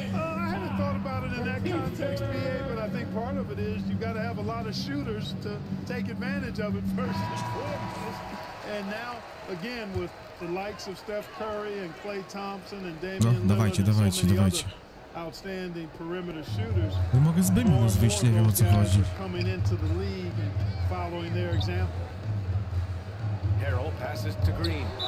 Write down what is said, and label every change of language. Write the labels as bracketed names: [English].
[English] I haven't thought about it in that context, BA, but I think part of it is you got to have a lot of shooters to take advantage of it first. And now... Again, with the likes of Steph Curry and Klay Thompson and Damian Lillard, outstanding perimeter shooters. [Polish] Nie mogę zbyt mu zwieść, nie wiem, o co chodzi. [English] Coming into the league and following their example. Harrell passes to Green.